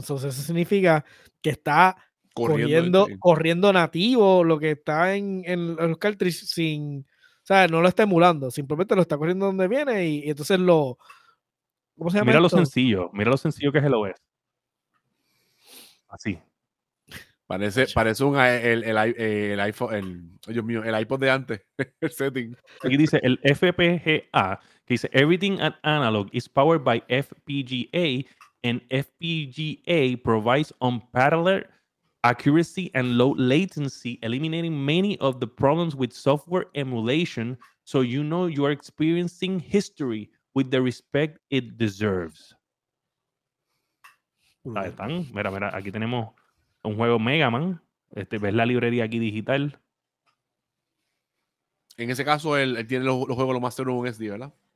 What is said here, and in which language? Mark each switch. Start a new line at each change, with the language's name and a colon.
Spanish: Entonces eso significa que está corriendo nativo lo que está en los cartridges sin, o sea, no lo está emulando, simplemente lo está corriendo donde viene y entonces lo, ¿cómo se llama? Mira lo sencillo que es el OS. Así. Parece un el iPhone, Dios mío, el iPod de antes, el setting. Aquí dice el FPGA, que dice
English: Everything at Analog is powered by FPGA, and FPGA provides unparalleled accuracy and low latency, eliminating many of the problems with software emulation, so you know you are experiencing history with the respect it deserves.
Spanish: Ahí están, mira, aquí tenemos un juego Mega Man. ¿Ves la librería aquí digital? En ese caso, él tiene los juegos lo más seguro en SD, ¿verdad?